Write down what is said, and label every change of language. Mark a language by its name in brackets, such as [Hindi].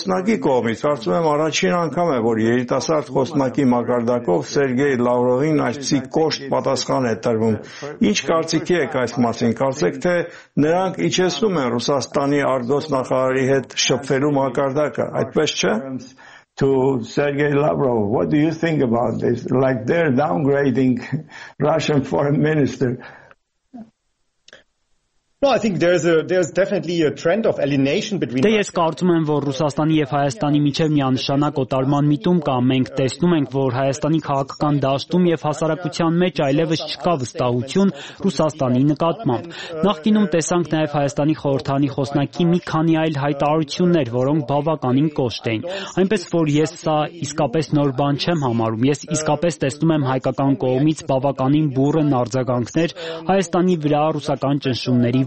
[Armenian] Լավրովի մեկնաբանությունին, և դա արվել է ոչ թե արտգործնախարարի, այլ ԱԳՆ խոսնակի կողմից։ Կարծում եմ առաջին անգամ է, որ երիտասարդ խոսնակի մակարդակով Սերգեյ Լավրովին այսպիսի կոշտ պատասխան է տրվում։ Ինչ կարծիքի եք այս մասին, կարծեք թե նրանք իջեցնում են Ռուսաստանի արտգործնախարարի հետ շփվելու մակարդակը, այդպես չէ՞։ [English] To Sergei Lavrov, what do you think about this? Like they're downgrading Russian foreign minister. No, I think there's definitely a trend of alienation between. [Armenian] Դե ես կարծում եմ, որ Ռուսաստանի եւ Հայաստանի միջև միանշանակ օտարման միտում կա։ Մենք տեսնում ենք, որ Հայաստանի քաղաքական դաշտում եւ հասարակության մեջ այլևս չկա վստահություն Ռուսաստանի նկատմամբ։ Նախկինում տեսանք նաեւ Հայաստանի խորհրդանի խոսնակի մի քանի այլ հայտարարություններ, որոնք բավականին կոշտ էին։ Այնպես որ ես սա իսկապես նոր բան չեմ համարում։ Ես իսկապես տեսնում եմ հայկական կողմից բավականին բուրըն արձագանքներ Հայաստանի վրա ռուսական ճնշումների